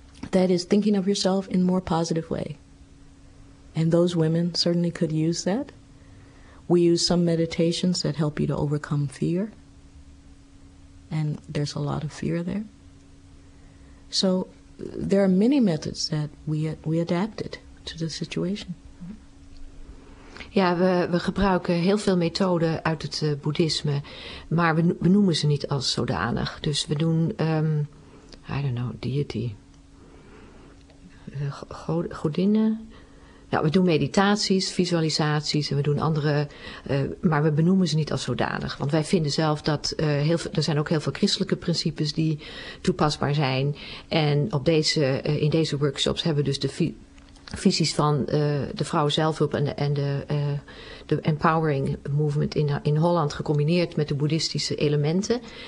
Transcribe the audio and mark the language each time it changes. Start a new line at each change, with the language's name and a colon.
English: That is thinking of yourself in a more positive way. And those women certainly could use that. We use some meditations that help you to overcome fear. And there's a lot of fear there. So there are many methods that we adapted to the situation.
Dutch: Ja, we gebruiken heel veel methoden uit het boeddhisme, maar we noemen ze niet als zodanig. Dus we doen,
English: I don't know, deity,
Dutch: godinnen. Ja, we doen meditaties, visualisaties en we doen andere, maar we benoemen ze niet als zodanig. Want wij vinden zelf dat er zijn ook heel veel christelijke principes die toepasbaar zijn. En in deze workshops hebben we dus de visies van de vrouwenzelfhulp en de empowering movement in Holland gecombineerd met de boeddhistische elementen.